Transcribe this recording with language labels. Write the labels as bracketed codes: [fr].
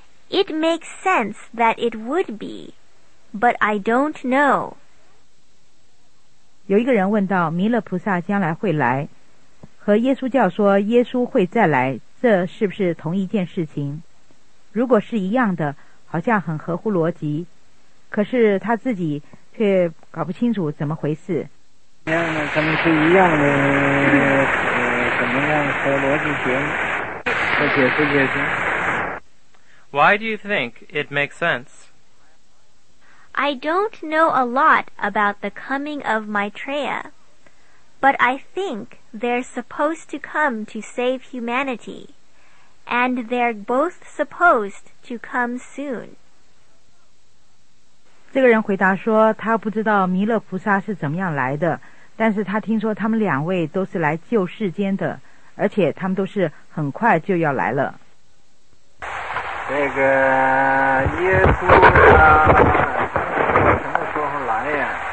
[en] It makes sense that it would be, but I don't know. [zh] 有一个人问到弥勒菩萨将来会来，和耶稣教说耶稣会再来，这是不是同一件事情？如果是一样的，好像很合乎逻辑，可是他自己却搞不清楚怎么回事。一样的，咱们是一样的，怎么样和逻辑行？和解释解释。 [en] Why do you think it makes sense? I don't know a lot about the coming of Maitreya, but I think they're supposed to come to save humanity, and they're both supposed to come soon. [zh] 这个人回答说，他不知道弥勒菩萨是怎么样来的。但是他听说他们两位都是来救世间的，而且他们都是很快就要来了。这个耶稣啊，什么时候来呀？